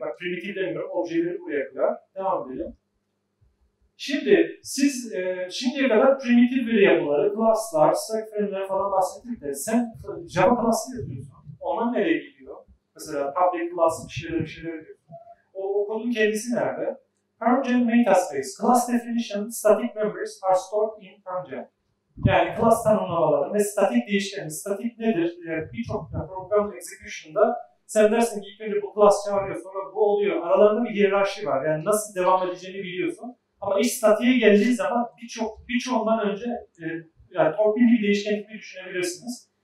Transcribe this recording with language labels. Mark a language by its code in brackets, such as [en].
[tr] Bak primitif demiyorum, objeleri buraya koyar. Devam edelim. Şimdi siz şimdiye kadar primitif veri yapıları, class'lar, stack frame'ler falan bahsettik de sen Java class'ı yazıyorsun. Ona nereye gidiyor? Mesela public class bir şeyler diyorsun. O kodun kendisi nerede? [en] Permgen metaspace. Class definition, static members are stored in Permgen. [tr] Yani class tanımlamaları ve statik değişken. Statik nedir? Birçok program execution'da sen dersin ki ilk önce bu class çağırıyor, sonra bu oluyor. Aralarında bir hiyerarşi var. Yani nasıl devam edeceğini biliyorsun. Ama iş statiğe geldiği zaman birçoğundan önce yani torpil bir değişken gibi düşünebilirsiniz.